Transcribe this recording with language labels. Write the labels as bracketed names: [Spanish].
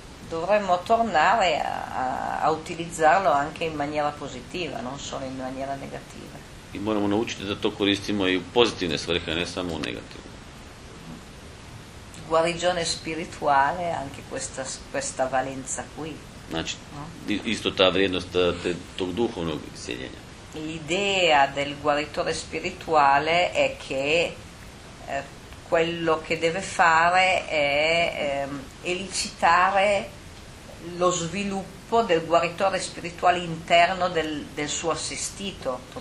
[Italian] Dovremmo tornare a utilizzarlo anche in maniera positiva, non solo in maniera negativa. [Croatian] I moramo naučiti da to koristimo i u pozitivne svrhe, a ne samo u negativne. [Italian] Guarigione spirituale, anche questa valenza qui. [Croatian] Znači, isto ta vrijednost tog duhovnog iseljenja. [Italian] L'idea del guaritore spirituale è che quello che deve fare è elicitare lo sviluppo del guaritore spirituale interno del suo assistito.